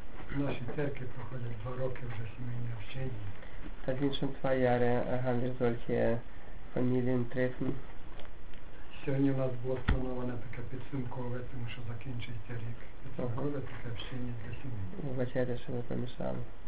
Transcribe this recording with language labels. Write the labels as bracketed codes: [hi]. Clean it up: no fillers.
[ru] В нашей церкви проходят два года уже семейное общение. один [de] schon zwei Jahre haben wir solche Familientreffen. [uk] Сьогодні у нас було сплановане таке підсумкове, тому що закінчується рік. Підсумкове таке общення для сім'ї. Вибачайте, що ми помішали.